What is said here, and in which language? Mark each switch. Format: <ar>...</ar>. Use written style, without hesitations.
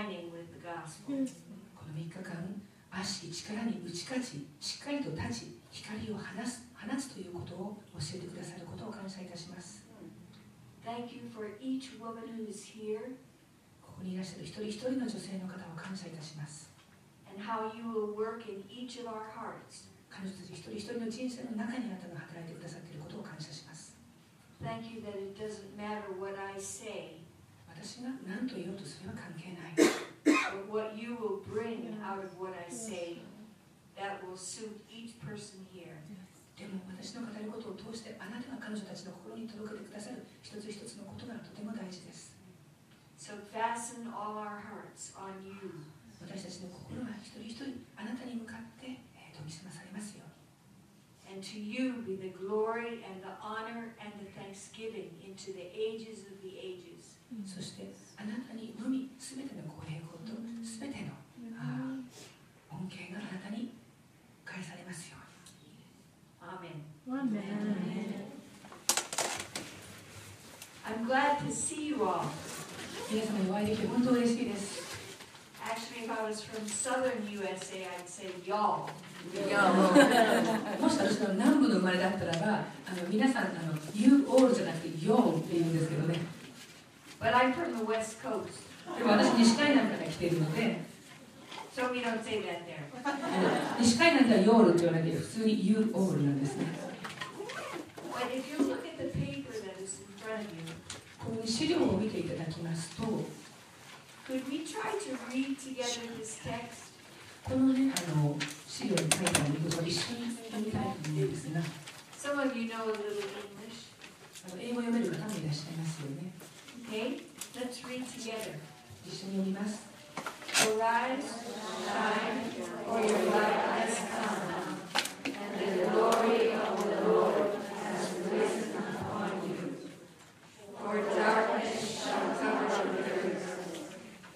<ja>この3日間、悪しき力に打ち勝ち、しっかりと立ち、光を放つということを教えてくださることを感謝いたします。</ja> <en>Thank you for each woman who is here.</en> <ja>ここにいらっしゃる一人一人の女性の方を感謝いたします。</ja> <en>And how you will work in each of our hearts.</en> <ja>彼女たち一人一人の人生の中にあなたが働いてくださっていることを感謝します。</ja> <en>Thank you that it doesn't matter what I say.</en> <ja>私が何と言おうとそれは関係ない。</ja> <en>What you will bring out of what I say, that will suit each person here.</en> <ja>でも私の語ることを通してあなたが彼女たちの心に届けてくださる一つ一つのことがとても大事です。</ja> <en>So fasten all our hearts on you.</en> <ja>私たちの心は一人一人あなたに向かって研ぎ澄まされますよ。</ja> <en>And to you be the glory and the honor and the thanksgiving into the ages of the ages.</en> <ja>そしてあなたにのみ全てのご栄光と全ての恩恵があなたに返されますように。アーメン。アーメン。</ja> <en>I'm glad to see you all.</en> <ja>皆様にお会いできて本当に嬉しいです。</ja> <en>Actually, if I was from southern USA, I'd say y'all.</en> <ja>もし私の南部の生まれだったらば、皆さん、</ja> <en>you all</en> <ja>じゃなくて y'all って言うんですけどね。</ja> <en>But I'm from the west coast.</en> <ja>でも私、西海岸から来ているので。</ja> <en>So we don't say that there.</en> <ja>西海岸では y'all って言わないで、普通に</ja> <en>you all</en> <ja>なんですね。</ja> <en>But if you look at the paper that is in front of you,</en> <ja>ここに資料を見ていただきますと、</ja> <en>Could we try to read together this text?</en> <ja>このね、資料に書いてあることを一緒に読みたいと思うんですが。</ja> <en>Some of you know a little English.</en> <ja>英語読める方もいらっしゃいますよね。</ja> <en>Okay, let's read together.</en> <ja>一緒に読みます。</ja> <en>Arise, shine, for your light has come, and the glory of the Lord has risen upon you. For darkness shall cover the earth.</en>